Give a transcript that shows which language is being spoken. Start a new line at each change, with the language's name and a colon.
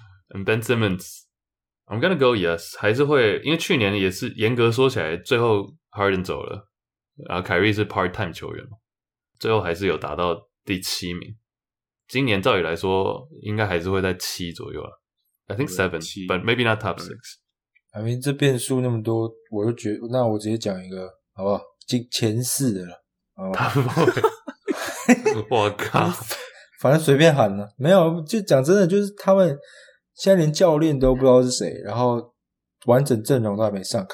English: And Ben Simmons， I'm gonna go yes，
Chinese: 还是会，因为去年也是严格说起来，最后 Harden 走了，然后凯瑞是 part time 球员嘛，最后还是有达到第七名。今年照理来说，应该还是会在七左右啊。
English: I think seven， but maybe not top six。 I mean，
Chinese: 这变数那么多，我就觉得，那我直接讲一个好不好？前四的了，他不会。我靠！反正随便喊了，没有，就讲真的，就是他们现在连教练都不知道是谁，然后完整阵容都还没上。